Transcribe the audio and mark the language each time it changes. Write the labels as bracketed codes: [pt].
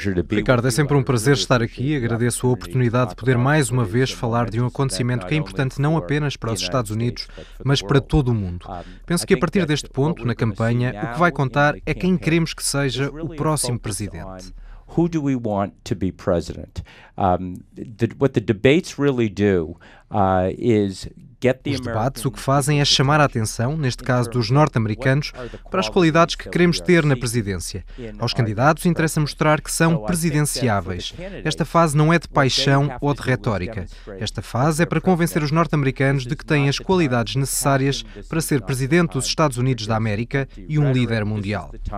[pt] Ricardo, é sempre um prazer estar aqui. Agradeço a oportunidade de poder mais uma vez falar de um acontecimento que é importante não apenas para os Estados Unidos, mas para todo o mundo. Penso que a partir deste ponto, na campanha, o que vai contar é quem queremos que seja o próximo presidente. [en] Who do we want to be president? What the debates really do is get the [pt] Os debates o que fazem é chamar a atenção, neste caso dos norte-americanos, para as qualidades que queremos ter na presidência. Aos candidatos interessa mostrar que são presidenciáveis. Esta fase não é de paixão ou de retórica. Esta fase é para convencer os norte-americanos de que têm as qualidades necessárias para ser presidente dos Estados Unidos da América e um líder mundial.